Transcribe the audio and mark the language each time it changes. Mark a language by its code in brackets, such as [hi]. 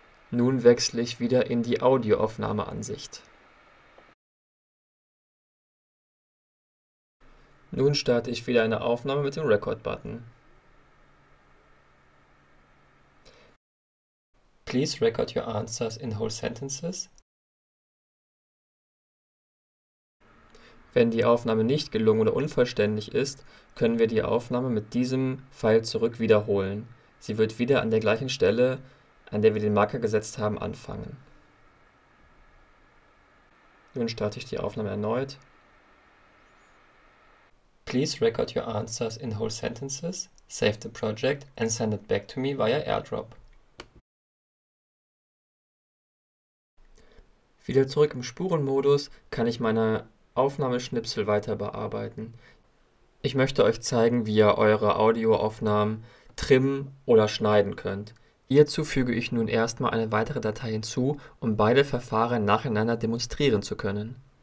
[de] Nun wechsle ich wieder in die Audioaufnahmeansicht. Nun starte ich wieder eine Aufnahme mit dem Record-Button. [en] Please record your answers in whole sentences. [de] Wenn die Aufnahme nicht gelungen oder unvollständig ist, können wir die Aufnahme mit diesem Pfeil zurück wiederholen. Sie wird wieder an der gleichen Stelle, an der wir den Marker gesetzt haben, anfangen. Nun starte ich die Aufnahme erneut. [en] Please record your answers in whole sentences, save the project and send it back to me via AirDrop. [de] Wieder zurück im Spurenmodus kann ich meine Aufnahmeschnipsel weiter bearbeiten. Ich möchte euch zeigen, wie ihr eure Audioaufnahmen trimmen oder schneiden könnt. Hierzu füge ich nun erstmal eine weitere Datei hinzu, um beide Verfahren nacheinander demonstrieren zu können.